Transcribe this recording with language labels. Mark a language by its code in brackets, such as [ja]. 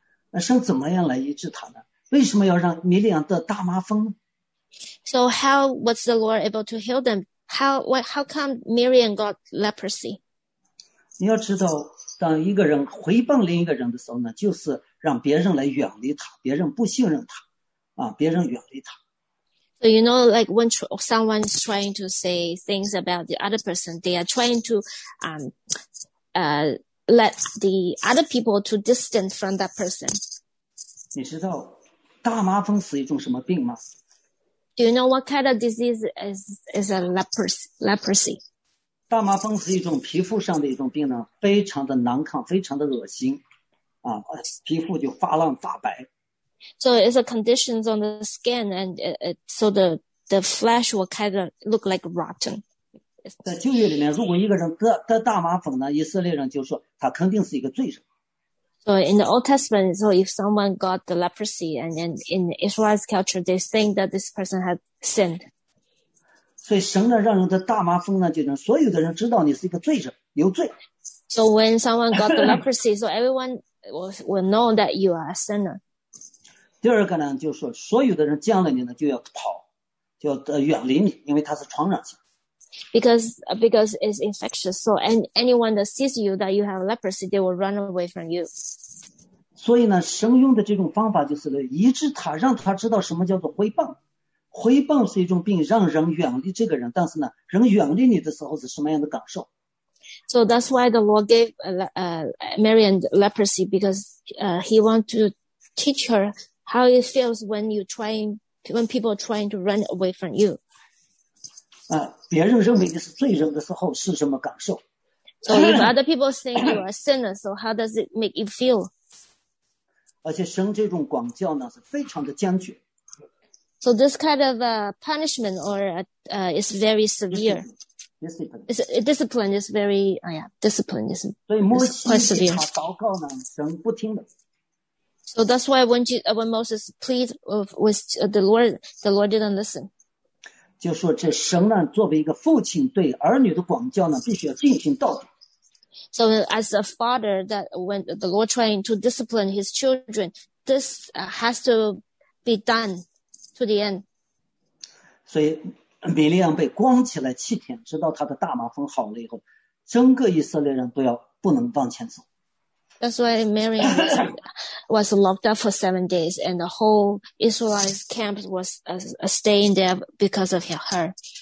[zh] 那神怎么样来医治他呢？为什么要让米利亚得大麻风呢？ [en] So how was the Lord able to heal them? How come Miriam got leprosy? [zh] 你要知道，当一个人回谤另一个人的时候呢，就是让别人来远离他，别人不信任他，啊，别人远离他。 [en] So you know, like when someone's trying to say things about the other person, they are trying to let the other people to distance from that person. [zh] 你知道大麻风是一种什么病吗？ [en] Do you know what kind of disease is a leprosy? [zh] 大麻风是一种皮肤上的一种病呢，非常的难看，非常的恶心。啊，皮肤就发烂发白。 [en] So it's a condition on the skin, and so the flesh will kind of look like rotten. [zh] 在旧约里面，如果一个人得大麻风呢，以色列人就说他肯定是一个罪人。 [en] So in the Old Testament, so if someone got the leprosy, and then in Israel's culture, they think that this person had sinned. [zh] 所以神呢，让人得大麻风呢，就让所有的人知道你是一个罪人，有罪。 [en] So when someone got the leprosy, so everyone will know that you are a sinner. [zh] 第二个呢，就是说所有的人见了你呢，就要跑，就要远离你，因为它是传染性。 [en] Because it's infectious, so anyone that sees you that you have leprosy, they will run away from you. [zh] 所以呢，神用的这种方法就是来医治他，让他知道什么叫做回谤。回谤是一种病，让人远离这个人。但是呢，人远离你的时候是什么样的感受？ [en] So that's why the Lord gave Marian leprosy, because he wants to teach her how it feels when people are trying to run away from you. 啊。 [zh] 别人认为你是罪人的时候是什么感受？ [en] So if other people say you are a sinner, so how does it make you feel? [zh] 而且神这种管教呢是非常的坚决。 [en] So this kind of punishment or is very severe. Discipline is very, discipline is quite severe. [zh] 所以摩西祷告呢，神不听的。 [en] So that's why when Moses pleads with the Lord didn't listen. [zh] 就说这神呢，作为一个父亲，对儿女的管教呢，必须要进行到底。 [en] So as a father, that when the Lord trying to discipline his children, this has to be done to the end. [zh] 所以米利亚被关起来七天，直到他的大麻风好了以后，整个以色列人都要不能往前走。 [en] That's why Mary was locked up for 7 days, and the whole Israelite camp was staying there because of her.